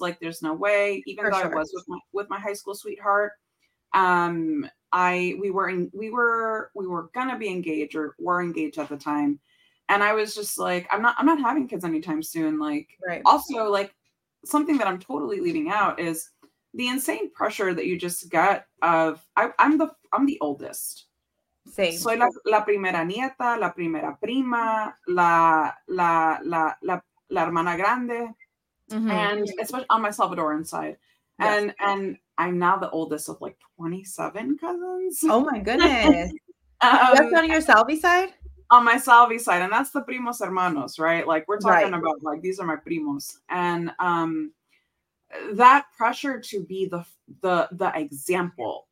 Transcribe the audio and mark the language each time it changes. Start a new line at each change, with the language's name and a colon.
English: Like, there's no way. I was with my high school sweetheart, we were engaged at the time, and I was just like, I'm not having kids anytime soon. Like, right. Also, like, something that I'm totally leaving out is the insane pressure that you just get of, I'm the oldest. Same.
Spanish: Soy la primera nieta, la primera prima, la hermana grande, mm-hmm.
English: and especially on my Salvadoran side. Yes. And I'm now the oldest of like 27 cousins. Oh my goodness. that's on your Salvi side? On my Salvi side. And that's the
Spanish: primos hermanos,
English: right? Like, we're talking about, like, these are my primos. And, that pressure to be the example.